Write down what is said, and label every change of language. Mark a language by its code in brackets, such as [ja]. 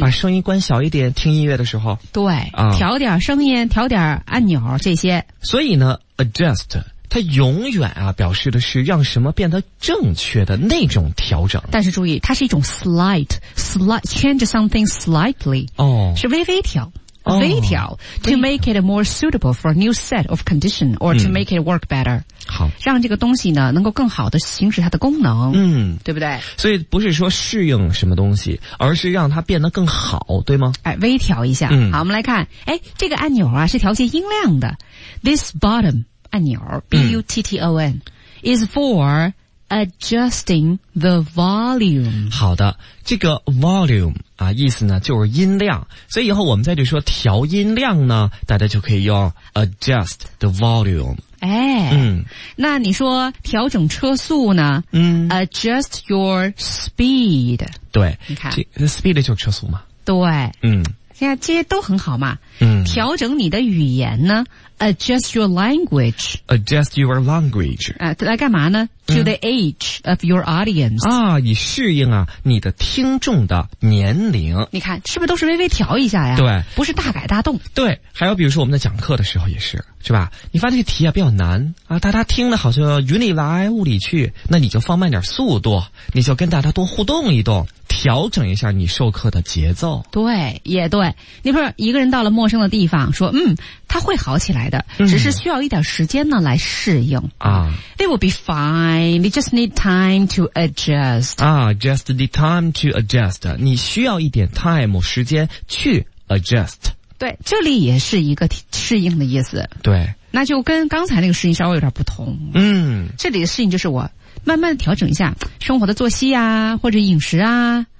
[zh] 把声音关小一点，听音乐的时候。对，啊，调点声音，调点按钮这些。所以呢 ，adjust。它永远啊，表示的是让什么变得正确的那种调整。但是注意，它是一种 [en] slight change something slightly， [zh] 哦，是微微调，微调，哦， [en] to make it more suitable for a new set of condition or to make it work better。 [zh] 好，让这个东西呢能够更好的行使它的功能，嗯，对不对？所以不是说适应什么东西，而是让它变得更好，对吗？哎，微调一下，嗯，好，我们来看，哎，这个按钮啊是调节音量的 ， [en] this button。 [zh] 按钮 button、嗯、 [en] is for adjusting the volume。 [zh] 好的，这个 volume 啊，意思呢就是音量，所以以后我们在这说调音量呢，大家就可以用 adjust the volume。哎，嗯，那你说调整车速呢，嗯， [en] adjust your speed。 [zh] 对，你看这 speed 就是车速嘛。对，嗯，现在这些都很好嘛。嗯，调整你的语言呢， [en] Adjust your language. Adjust your language. [zh] 来干嘛呢？ [en] To the age of your audience. [zh] 啊，以适应啊你的听众的年龄。你看，是不是都是微微调一下呀？对，不是大改大动。对，还有比如说我们在讲课的时候也是，是吧？你发现这个题啊比较难啊，大家听的好像云里来雾里去，那你就放慢点速度，你就跟大家多互动一动，调整一下你授课的节奏。对，也对。你说一个人到了陌生的地方，说嗯，他会好起来的，只是需要一点时间呢来适应啊。 [en] They will be fine. They just need time to adjust. 啊 ，just need time to adjust. [zh] 你需要一点 time 时间去 adjust。对，这里也是一个适应的意思。对，那就跟刚才那个适应稍微有点不同。嗯，这里的适应就是我慢慢调整一下生活的作息啊，或者饮食啊，